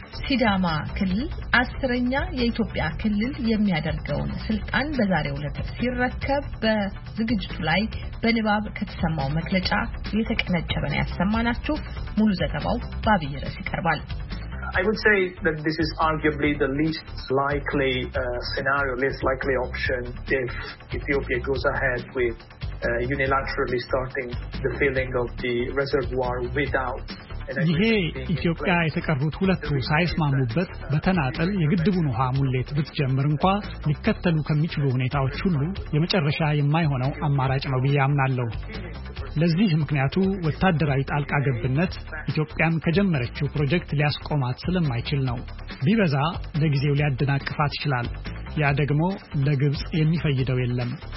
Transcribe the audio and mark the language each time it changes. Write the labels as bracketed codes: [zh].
[am] ሲዳማ ክልል 10ኛ የኢትዮጵያ ክልል የሚያደርገውን ሥልጣን በዛሬው ዕለት ሲረከብ በዝግጅቱ ላይ በንባብ ከተሰማው መግለጫ የተቀነጨበ ነው ያሰማናችሁ። ሙሉ ዘገባው ባብይ ርዕስ ይቀርባል። [en] I would say that this is arguably the least likely scenario, least likely option if Ethiopia goes ahead with unilaterally starting the filling of the reservoir without [am] ይሄ ኢትዮጵያ የተቀበሉት ሁለቱ ሳይስማሙበት በተናጠል የግድቡን ውሃ ሙሌት ብትጀምር እንኳን ሊከተሉ ከሚችሉ ሁኔታዎች ሁሉ የመጨረሻ የማይሆነው አማራጭ ነው ብያምናለሁ። ለዚህ ምክንያቱ ወታደራዊ ጣልቃ ገብነት ኢትዮጵያን ከጀመረችው ፕሮጀክት ሊያስቆማት ስለማይችል ነው። ቢበዛ ለጊዜው ሊያደናቅፋት ይችላል። ያ ደግሞ ለግብጽ የሚፈይደው የለም።